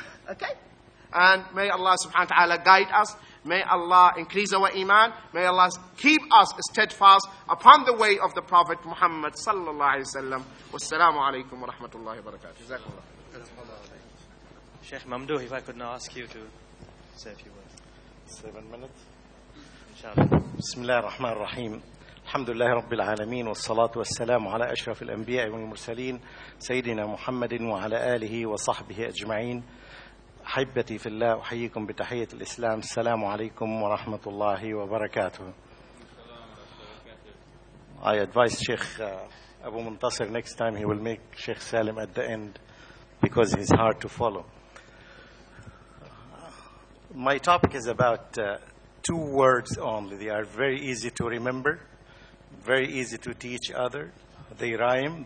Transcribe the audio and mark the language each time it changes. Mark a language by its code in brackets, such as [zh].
[en] Okay? And may Allah subhanahu wa ta'ala guide us. May Allah increase our iman. May Allah keep us steadfast upon the way of the Prophet Muhammad sallallahu alayhi wa sallam. Wassalamu alaikum wa rahmatullahi wa barakatuh. Jazakallah. Sheikh Mamdouh, if I could now ask you to say a few words. 7 minutes. [ar] بسم الله الرحمن الرحيم الحمد لله رب العالمين والصلاة والسلام على أشرف الأنبياء والمرسلين سيدنا محمد وعلى آله وصحبه أجمعين حبتي في الله أحييكم بتحية الإسلام السلام عليكم ورحمة الله وبركاته. [en] I advise Sheikh Abu Muntasir next time he will make Sheikh Salim at the end because he's hard to follow. My topic is about two words only. They are very easy to remember, very easy to teach other. They rhyme.